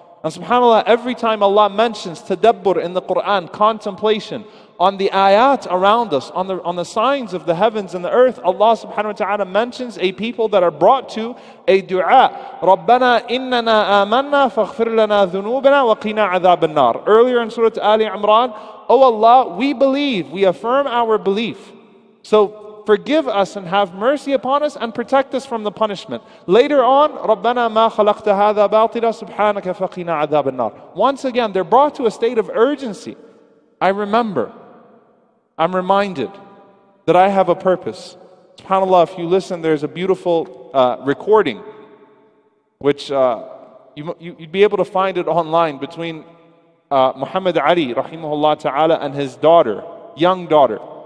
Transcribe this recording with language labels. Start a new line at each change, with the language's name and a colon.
English: And subhanAllah, every time Allah mentions tadabbur in the Qur'an, contemplation on the ayat around us, on the signs of the heavens and the earth, Allah subhanahu wa ta'ala mentions a people that are brought to a dua.
Arabic: رَبَّنَا إِنَّنَا آمَنَّا فَاغْفِرْ لَنَا ذُنُوبِنَا وَقِنَا عَذَابَ النَّارِ.
English: Earlier in Surah Ali Imran, O Allah, we believe, we affirm our belief. So forgive us and have mercy upon us and protect us from the punishment. Later on,
Arabic: رَبَّنَا مَا خَلَقْتَ هَذَا بَاطِلًا سُبْحَانَكَ فَقِنَا عَذَابَ النَّارِ.
English: Once again, they're brought to a state of urgency. I remember, I'm reminded that I have a purpose. SubhanAllah, if you listen, there's a beautiful recording which you'd be able to find it online between Muhammad Ali, rahimahullah ta'ala, and his daughter, young daughter.